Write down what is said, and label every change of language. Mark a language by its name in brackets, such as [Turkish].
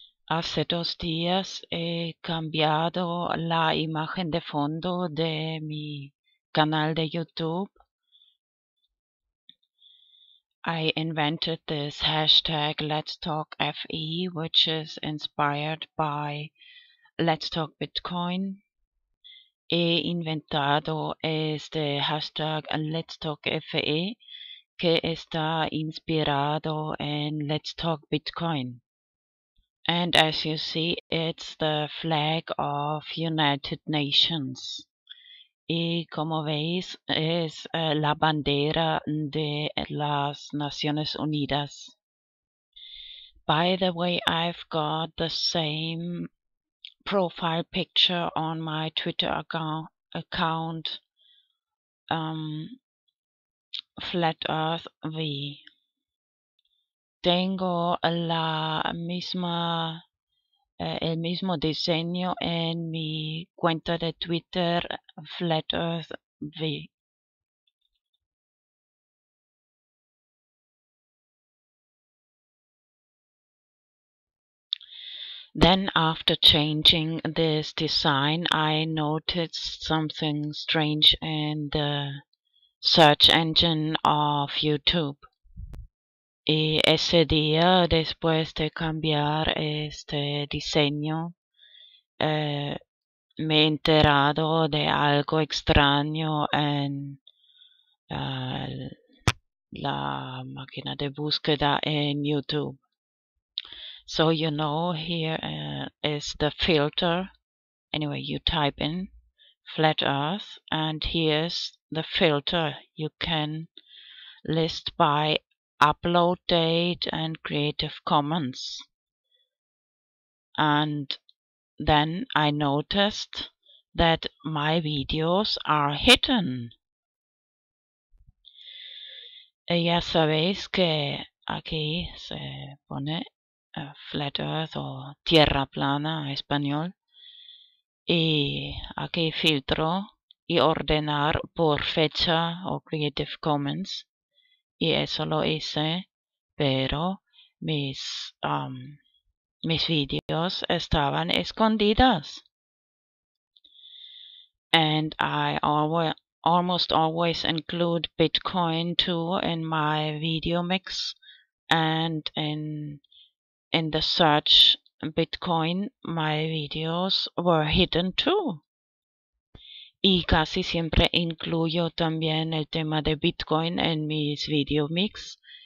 [Spanish] Hace 2 días he cambiado la imagen de fondo de mi canal de YouTube. [English] I invented this hashtag Let's Talk FE, which is inspired by Let's Talk Bitcoin. [Spanish] He inventado este hashtag Let's Talk FE, que está inspirado en Let's Talk Bitcoin. [English] And as you see, it's the flag of United Nations. [Spanish] Y como veis, es la bandera de las Naciones Unidas. [English] By the way, I've got the same profile picture on my Twitter account, Flat Earth V. [Spanish] Tengo la misma, el mismo diseño en mi cuenta de Twitter, Flat Earth V. [English] Then, after changing this design, I noticed something strange in the search engine of YouTube. [Spanish] Y ese día, después de cambiar este diseño, me he enterado de algo extraño en la máquina de búsqueda en YouTube. [English] So, you know, here is the filter. Anyway, you type in Flat Earth, and here's the filter. You can list by upload date and Creative Commons. And then I noticed that my videos are hidden. [Spanish] Ya sabéis que aquí se pone Flat Earth o Tierra Plana en español, y aquí filtro y ordenar por fecha o Creative Commons, y eso lo hice, pero mis videos estaban escondidas. [English] And I almost always include Bitcoin too in my video mix and in the search Bitcoin, my videos were hidden too. [Spanish] Y casi siempre incluyo también el tema de Bitcoin en mis video mix.